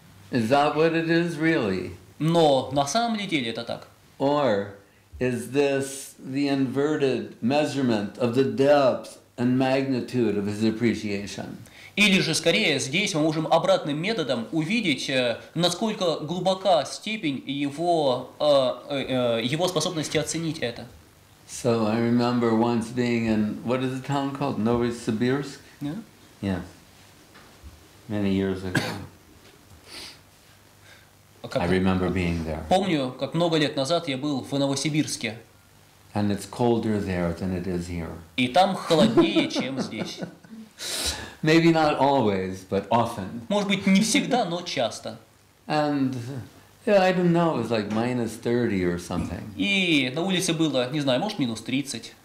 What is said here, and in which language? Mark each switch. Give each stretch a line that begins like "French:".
English: Is that what it is really?
Russian: Но на самом ли деле это так?
English: Or is this the inverted measurement of the depth and magnitude of his appreciation?
Russian: Или же, скорее, здесь мы можем обратным методом увидеть, насколько глубока степень его его способности оценить это.
English: So I remember once being in, what is the town called? Novosibirsk? Yeah. Yeah. Many years ago. I remember being there.
Russian: Помню, как много лет назад я был в Новосибирске.
English: And it's colder there than it is here.
Russian: И там холоднее, чем здесь.
English: Maybe not always, but often.
Russian: Может быть, не всегда, но часто.
English: And yeah, I don't know, it was like minus 30 or something.
Russian: И на улице было, не знаю, может, минус 30.